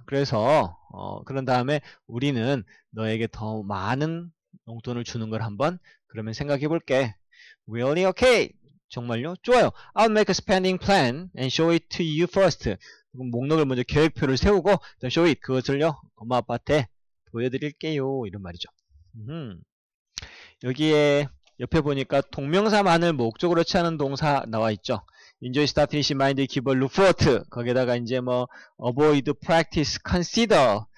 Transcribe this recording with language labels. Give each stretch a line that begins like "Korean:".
Korean: 그래서 그런 다음에 우리는 너에게 더 많은 용돈을 주는 걸 한번 그러면 생각해 볼게.
English: Really? Okay.
Korean: 정말요? 좋아요.
English: I'll make a spending plan and show it to you first.
Korean: 목록을 먼저 계획표를 세우고,
English: then show it.
Korean: 그것을요, 엄마 아빠한테 보여드릴게요. 이런 말이죠. 여기에 옆에 보니까 동명사만을 목적으로 취하는 동사 나와 있죠.
English: Enjoy, start, finish, mind, keep, look forward. 거기에다가 이제 뭐, avoid, practice, consider.